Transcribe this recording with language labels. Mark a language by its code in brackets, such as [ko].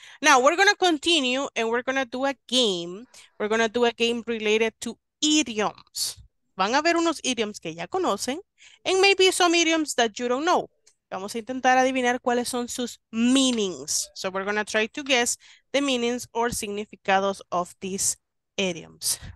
[en] Now, we're gonna continue and we're gonna do a game. We're gonna do a game related to idioms. [es] Van a ver unos idioms que ya conocen [en] and maybe some idioms that you don't know. [es] Vamos a intentar adivinar cuáles son sus meanings. [en] So we're gonna try to guess the meanings or significados of these idioms.